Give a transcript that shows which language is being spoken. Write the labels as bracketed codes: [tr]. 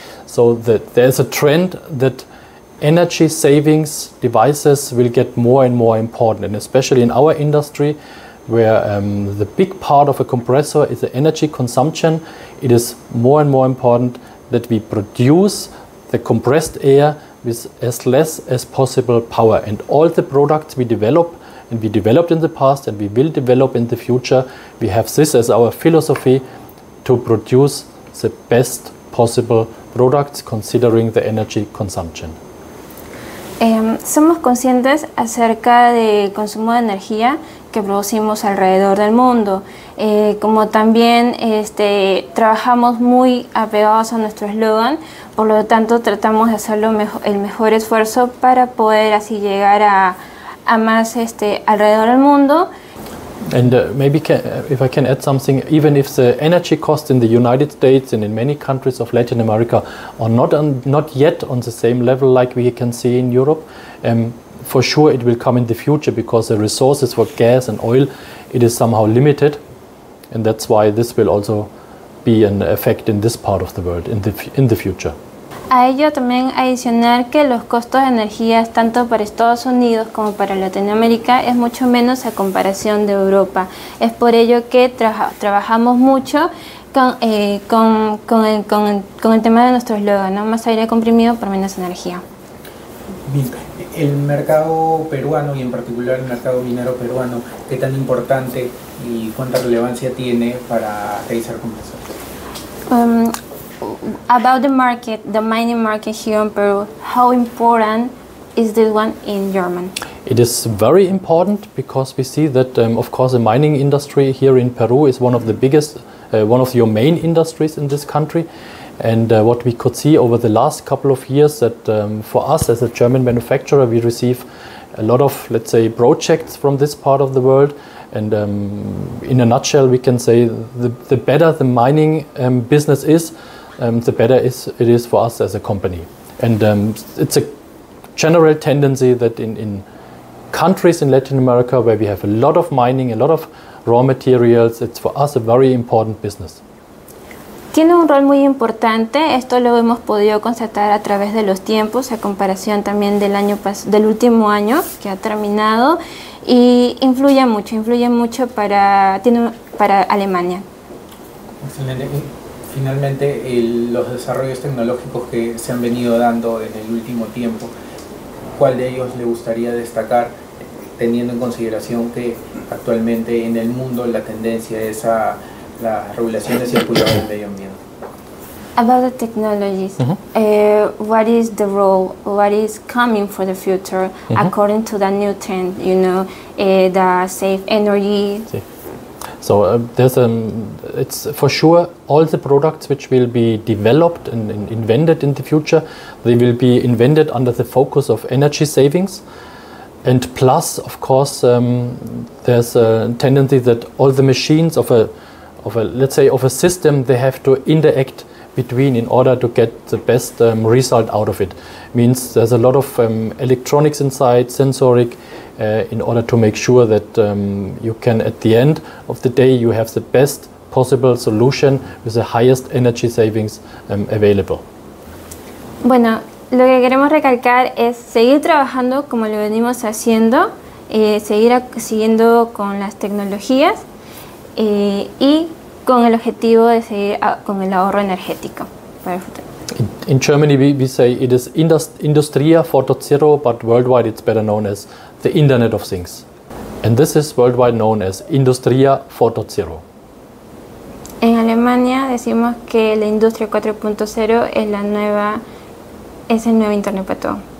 [en] So that there's a trend that energy savings devices will get more and more important, and especially in our industry where the big part of a compressor is the energy consumption, it is more and more important that we produce the compressed air with as less as possible power. And all the products we develop, and we developed in the past and we will develop in the future, we have this as our philosophy, to produce the best possible products considering the energy consumption. [es] Somos conscientes acerca del consumo de energía que producimos alrededor del mundo, como también trabajamos muy apegados a nuestro eslogan, por lo tanto tratamos de hacer el mejor esfuerzo para poder así llegar a más alrededor del mundo. [en] And if I can add something, even if the energy costs in the United States and in many countries of Latin America are not yet on the same level like we can see in Europe, for sure it will come in the future because the resources for gas and oil, it is somehow limited, and that's why this will also be an effect in this part of the world in the future. [es] A ello también adicionar que los costos de energía tanto para Estados Unidos como para Latinoamérica es mucho menos a comparación de Europa. Es por ello que trabajamos mucho con el tema de nuestro eslogan, ¿no? Más aire comprimido por menos energía. Bien. El mercado peruano y en particular el mercado minero peruano, ¿qué tan importante y cuánta relevancia tiene para realizar compresores? [en] About the market, the mining market here in Peru, how important is this one in Germany? It is very important because we see that, of course, the mining industry here in Peru is one of the biggest, one of your main industries in this country. And what we could see over the last couple of years that for us as a German manufacturer, we receive a lot of, let's say, projects from this part of the world. And in a nutshell, we can say the better the mining business is, the better it is for us as a company. And it's a general tendency that in countries in Latin America where we have a lot of mining, a lot of raw materials, it's for us a very important business. [es] Tiene un rol muy importante, esto lo hemos podido constatar a través de los tiempos, a comparación también del año del último año que ha terminado, y influye mucho para Alemania. Excelente. Finalmente, los desarrollos tecnológicos que se han venido dando en el último tiempo, ¿cuál de ellos le gustaría destacar, teniendo en consideración que actualmente en el mundo la tendencia es a [en] about the technologies, what is the role, what is coming for the future according to the new trend, you know, the safe energy? [es] Sí. [en] So it's for sure all the products which will be developed and invented in the future, they will be invented under the focus of energy savings. And plus, of course, there's a tendency that all the machines of a system, they have to interact between in order to get the best result out of it. Means there's a lot of electronics inside, sensoric, in order to make sure that you can, at the end of the day, you have the best possible solution with the highest energy savings available. [es] Bueno, lo que queremos recalcar es seguir trabajando como lo venimos haciendo, siguiendo con las tecnologías y con el objetivo de seguir con el ahorro energético para el futuro. [en] In Germany we say it is Industria 4.0, but worldwide it's better known as the Internet of Things. And this is worldwide known as Industria 4.0. [es] En Alemania decimos que la Industria 4.0 es el nuevo Internet para todo.